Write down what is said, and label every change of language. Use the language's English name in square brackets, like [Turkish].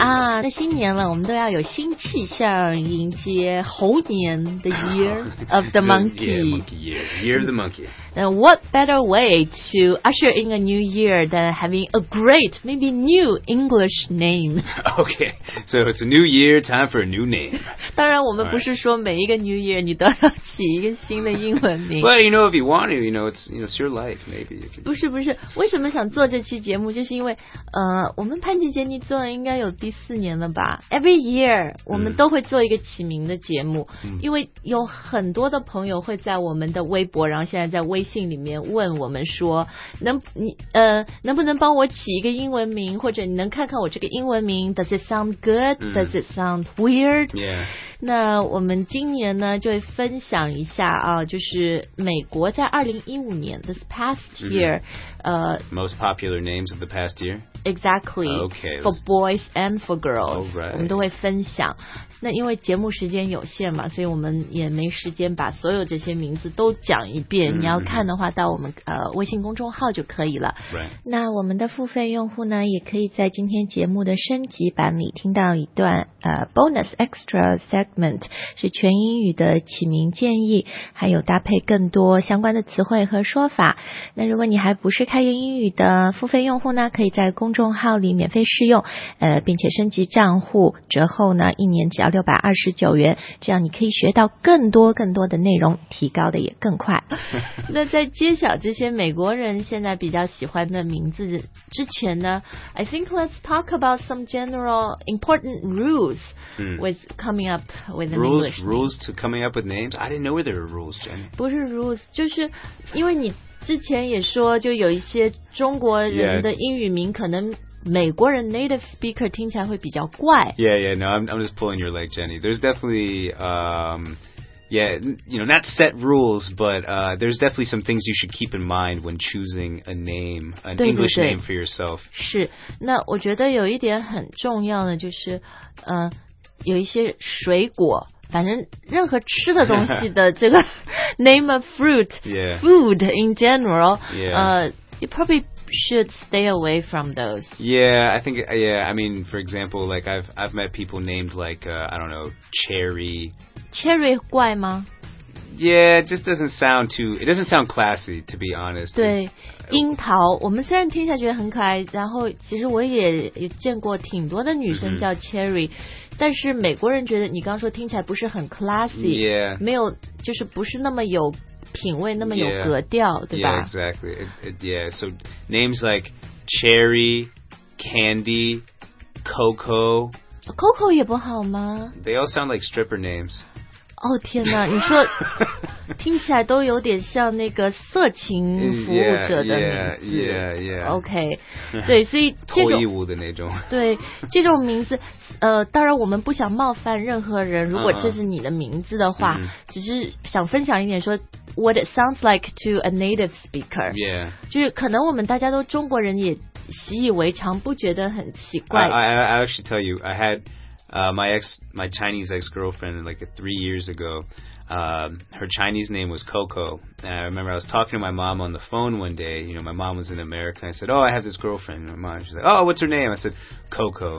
[Chinese] 啊，这新年了，我们都要有新气象，迎接猴年 ， [English] the year of the monkey. Year of the monkey. And what better way to usher in a new year than having a great, maybe new English name? Okay, so it's a new year, time for a new name. [Chinese] 当然，我们不是说每一个 [English] New Year [Chinese] 你都要起一个新的英文名。 [English] But you know, if you want to, it's your life, maybe. You can... [Chinese] 不是，为什么想做这期节目？就是因为，我们潘吉杰尼做了应该有第四年了吧 ？ [English] Every year， [Chinese] 我们都会做一个起名的节目，因为有很多的朋友会在我们的微博，然后现在在微信里面问我们说，能不能帮我起一个英文名，或者你能看看我这个英文名 ， [English] Does it sound good？ Does it sound weird？ Yeah。 [Chinese] 那我们今年呢，就会分享一下啊，就是美国在2015年 ， [English] this past year。 Most popular names of the past year? Exactly. Okay. For boys and for girls. All right. [Chinese] 我们都会分享。那因为节目时间有限嘛，所以我们也没时间把所有这些名字都讲一遍。你要看的话，到我们微信公众号就可以了。 [English] Right. [Chinese] 那我们的付费用户呢，也可以在今天节目的升级版里听到一段 [English] bonus extra segment， [Chinese] 是全英语的起名建议，还有搭配更多相关的词汇和说法。那如果你还不是开源英语的付费用户呢，可以在公众号里免费试用，并且升级账户，折后呢，一年只要629元，这样你可以学到更多的内容，提高的也更快。那在揭晓这些美国人现在比较喜欢的名字之前呢， [English] I think let's talk about some general important rules with coming up with an rules, English name. Rules to coming up with names? I didn't know there were rules, Jenny. [Chinese] 不是 rules， 就是因为你之前也说，就有一些中国人的英语名可能美国人 [English] native speaker [Chinese] 听起来会比较怪。 [English] No, I'm just pulling your leg, Jenny. There's definitely, not set rules, but there's definitely some things you should keep in mind when choosing a name, English name for yourself. [Chinese] 是，那我觉得有一点很重要的就是，有一些水果。反正任何吃的东西的这个 [English] name of fruit, yeah. food in general, yeah. You probably should stay away from those. I mean, for example, like I've met people named like, cherry. [Chinese] Cherry 怪吗？ [English] Yeah, it just doesn't sound too... It doesn't sound classy, to be honest. [Chinese] 对, 樱桃, 我们虽然听起来觉得很可爱, 然后其实我也见过挺多的女生叫 Cherry, 但是美国人觉得你刚说听起来不是很 classy, [English] yeah. [Chinese] 没有,就是不是那么有品味, 那么有格调, [English] yeah. [Chinese] 对吧? [English] Yeah, exactly. So names like Cherry, Candy, Coco... [Chinese] Coco 也不好吗? [English] They all sound like stripper names. [Chinese] 哦天哪，你说听起来都有点像那个色情服务者的名字。 OK， 对，所以这种脱衣舞的那种。对，这种名字，当然我们不想冒犯任何人。如果这是你的名字的话，只是想分享一点说 ， [English] what it sounds like to a native speaker。 Yeah， [Chinese] 就是可能我们大家都中国人也习以为常，不觉得很奇怪。 [English] I actually tell you, I had. My Chinese ex-girlfriend, like 3 years ago, her Chinese name was Coco. And I remember I was talking to my mom on the phone one day. You know, my mom was in America. And I said, oh, I have this girlfriend. And my mom, she's like, oh, what's her name? I said, Coco.